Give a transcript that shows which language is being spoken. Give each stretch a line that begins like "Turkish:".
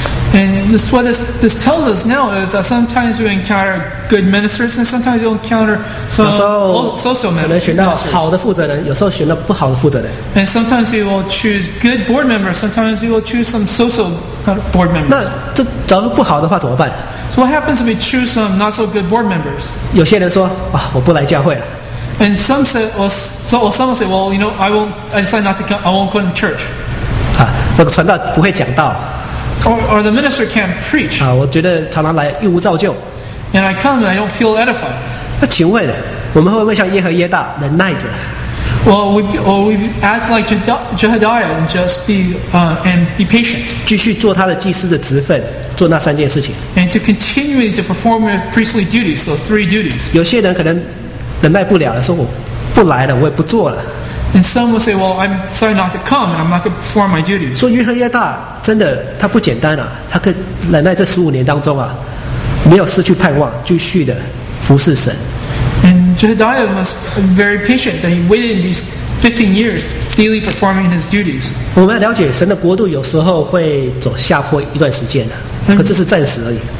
English: And this, what this tells us now is that sometimes you encounter good ministers, and sometimes you encounter some social ministers.
Chinese: 可能选到好的负责人，有时候选到不好的负责人。
English: And sometimes you will choose good board members. Sometimes you will choose some social board members.
Chinese: 那这假如不好的话怎么办
English: ？So what happens if we choose some not so good board members?
Chinese: 有些人说啊，我不来教会了。
English: And some say, well, you know, I decide not to come. I won't go to church.
Chinese: 啊，那个传道不会讲道。
English: Or the minister can't preach.
Chinese: 啊，我觉得常常来一无造就。
English: And I come and I don't feel edified.
Chinese: 那请问，我们会不会像耶和耶大忍耐着？
English: Well, we act like Jehadiah and just be patient.
Chinese: 继续做他的祭司的职分，做那三件事情。
English: And to continue to perform priestly duties, those three duties.
Chinese: 有些人可能忍耐不了了，说我不来了，我也不做了。
English: And some will say, "Well, I'm sorry not to come, and I'm not going to perform my duties."
Chinese: 说耶和耶大真的他不简单啊，他可忍耐这十五年当中啊，没有失去盼望，继续的服侍神。
English: Jehadiah was very patient that he waited in these 15 years daily performing his duties.
Chinese: 我们要了解神的国度有时候会走下坡一段时间的，可是是暂时而已。